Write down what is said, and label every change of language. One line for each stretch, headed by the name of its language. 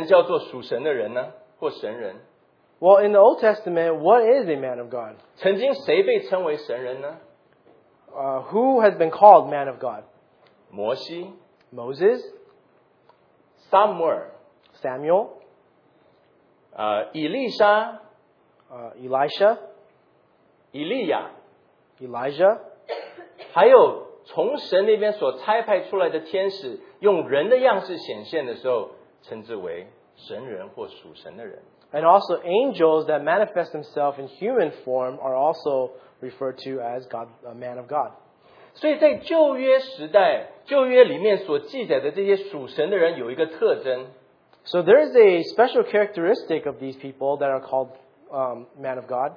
Chinese: 那在旧约里面，什么样的人叫做属神的人呢？或神人？
English: Well, in the Old Testament, what is a man of God?
Chinese: 曾经谁被称为神人呢？
English: Who has been called man of God?
Chinese: 摩西,
English: Moses, Samuel, Elisha, Elisha, Elijah, Elijah,
Chinese: 还有从神那边所差派出来的天使，用人的样式显现的时候，称之为神人或属神的人。
English: And also angels that manifest themselves in human form are also referred to as God, a man of God.
Chinese: 所以在旧约时代，旧约里面所记载的这些属神的人有一个特征。
English: So there is a special characteristic of these people that are called man of God.